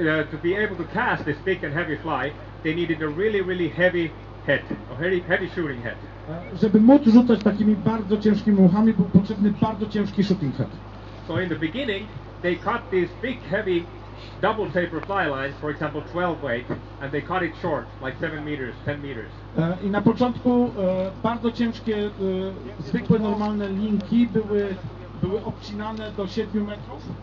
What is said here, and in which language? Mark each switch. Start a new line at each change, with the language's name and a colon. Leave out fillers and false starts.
English: To be able to cast this big and heavy fly, they needed a really, really heavy head, a heavy shooting head.
Polish: Żeby móc rzucać takimi bardzo ciężkimi muchami, był potrzebny bardzo ciężki shooting head.
English: So in the beginning, they cut these big, heavy, double taper fly lines, for example, 12 weight, and they cut it short, like 7 meters, 10 meters.
Polish: I na początku bardzo ciężkie, zwykłe, normalne linki były obcinane do 7 metrów.